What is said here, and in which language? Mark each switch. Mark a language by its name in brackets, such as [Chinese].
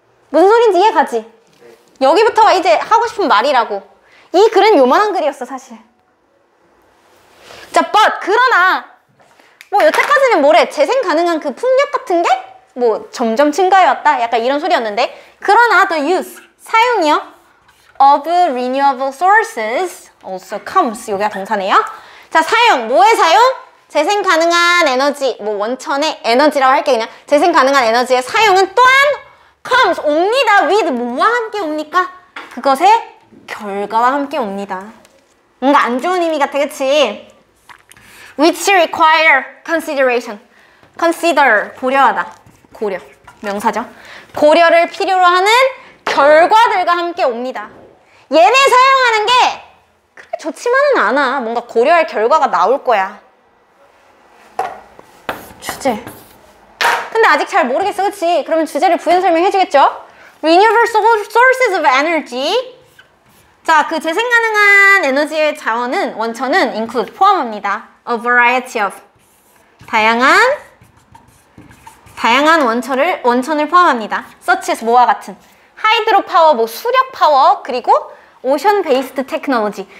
[Korean] 무슨 소린지 이해 가지? 여기부터가 이제 하고 싶은 말이라고. 이 글은 요만한 글이었어, 사실. 자, [English] but [Korean] 그러나 뭐 여태까지는 뭐래? 재생 가능한 그 풍력 같은 게? 뭐 점점 증가해왔다? 약간 이런 소리였는데. 그러나 [English] the use, [Korean] 사용이요. [English] of renewable sources also comes. [Korean] 여기가 동사네요. 자, 사용. 뭐의 사용? 재생 가능한 에너지, 뭐 원천의 에너지라고 할게 그냥. 재생 가능한 에너지의 사용은 또한 [English] comes, [Korean] 옵니다. [English] with [Korean] 뭐와 함께 옵니까? 그것의 결과와 함께 옵니다. 뭔가 안 좋은 의미 같아, 그치? [English] which require consideration. [Korean] consider, 고려하다. 고려, 명사죠. 고려를 필요로 하는 결과들과 함께 옵니다. 얘네 사용하는 게 그렇게 좋지만은 않아. 뭔가 고려할 결과가 나올 거야. 주제. 근데 아직 잘 모르겠어, 그치? 그러면 주제를 부연 설명해주겠죠? [English] Renewable sources of energy. [Korean] 자, 그 재생 가능한 에너지의 자원은, 원천은 include, 포함합니다. [English] A variety of. [Korean] 다양한. 다양한 원천을 포함합니다. [English] Such as [Korean] 뭐와 같은. [English] 하이드로 파워, [Korean] 뭐 수력 파워, 그리고 [English] 오션 베이스드 테크놀로지.